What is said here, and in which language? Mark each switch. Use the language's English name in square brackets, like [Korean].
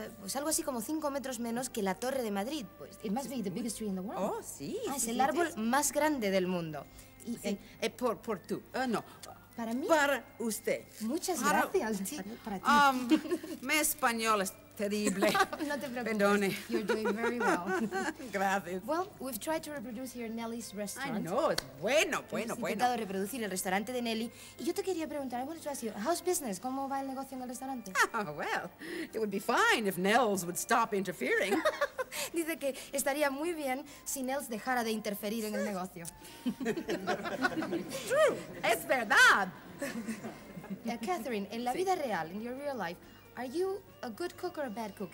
[Spanish] Pues algo así como 5 metros menos que la Torre de Madrid. [English] Pues, it must be the biggest tree in the world. [Spanish] Oh, sí. Ah, sí, es el árbol más grande del mundo. Y, sí. Por tú. No. ¿Para mí? Para usted. Muchas gracias. Sí. Para ti. Mi español es terrible. No te preocupes. Perdone. [English] You're doing very well. [Spanish] Gracias. [English] Well, we've tried to reproduce here Nelly's restaurant. I know, it's bueno. [Spanish] Hemos intentado reproducir el restaurante de Nelly. Y yo te quería preguntar, [English] I wanted to ask you, how's business? [Spanish] ¿Cómo va el negocio en el restaurante? [English] Oh, well, it would be fine if Nels would stop interfering. [Spanish] Dice que estaría muy bien si Nels dejara de interferir en el negocio. [English] True, [Spanish] es verdad. [English] Catherine, [Spanish] en la vida real, [English] in your real life, are you a good cook or a bad cook?